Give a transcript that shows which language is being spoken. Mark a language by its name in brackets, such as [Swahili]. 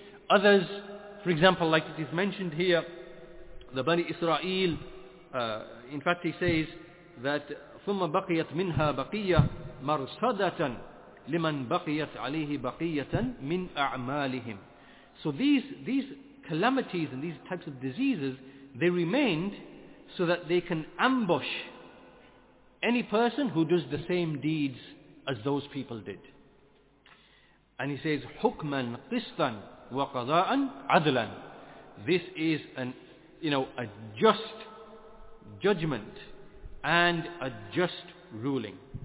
[English] Others, for example, like it is mentioned here, the Bani Israel, in fact he says that [Arabic] ثُمَّ بَقِيَتْ مِنْهَا بَقِيَّةً مَرْصَدَةً لِمَنْ بَقِيَتْ عَلَيْهِ بَقِيَّةً مِنْ أَعْمَالِهِمْ. [English] So these calamities and these types of diseases, they remained so that they can ambush any person who does the same deeds as those people did. And he says, [Arabic] حُكْمًا قِسْطًا وَقَضَاءً عَدْلًا. [English] This is a just judgment and a just ruling.